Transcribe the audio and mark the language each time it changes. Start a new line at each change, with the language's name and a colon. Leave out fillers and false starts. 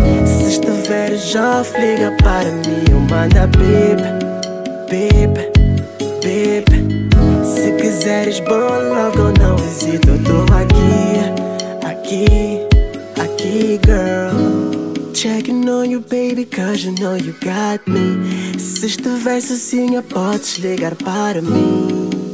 Portuguese: Se estiver off, liga para mim. Eu mando a beep, beep, beep. Se quiseres bom logo, não hesito. Eu tô aqui, aqui, aqui, girl.
English: Checking on you, baby, cause you know you got me.
Portuguese: Se estiver sozinha, podes ligar para mim.